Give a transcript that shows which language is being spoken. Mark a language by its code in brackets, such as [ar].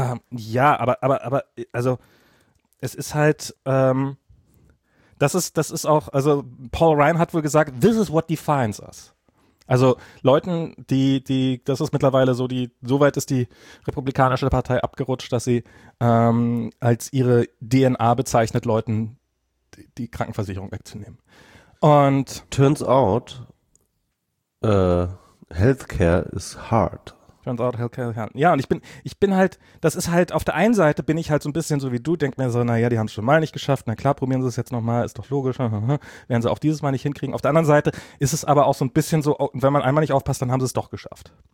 [de] Ja, aber, also es ist halt, das ist auch, also Paul Ryan hat wohl gesagt, [en] this is what defines us. [de] Also Leuten, die das ist mittlerweile so, die so weit ist die Republikanische Partei abgerutscht, dass sie als ihre DNA bezeichnet, Leuten die Krankenversicherung wegzunehmen. Und [en] turns out, healthcare is hard. Turns out, healthcare is hard. [de] Ja, und ich bin halt, das ist halt, auf der einen Seite bin ich halt so ein bisschen so wie du, denk mir so, naja, die haben es schon mal nicht geschafft, na klar, probieren sie es jetzt nochmal, ist doch logisch, werden sie auch dieses Mal nicht hinkriegen. Auf der anderen Seite ist es aber auch so ein bisschen so, wenn man einmal nicht aufpasst, dann haben sie es doch geschafft.